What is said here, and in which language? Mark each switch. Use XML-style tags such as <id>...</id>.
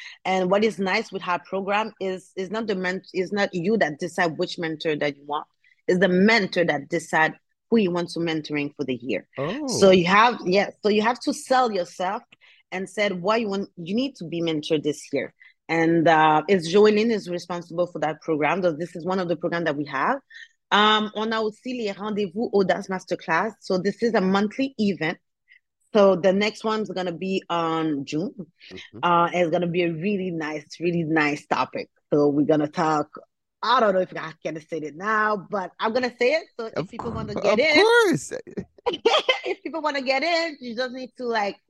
<en>And what is nice with our program is not you that decide which mentor that you want. It's the mentor that decide who you want to mentoring for the year. Oh. So you have to sell yourself and said why you need to be mentored this year. And it's Joëlline is responsible for that program. So this is one of the programs that we have.</en> <fr>On a aussi les rendez-vous Audace Masterclass.</fr> <en>So this is a monthly event. So the next one's going to be on June. Mm-hmm. It's going to be a really nice topic. So we're going to talk. I don't know if I can say it now, but I'm going to say it. So if people want to get in. Of course. If people want to get in, you just need to like</en>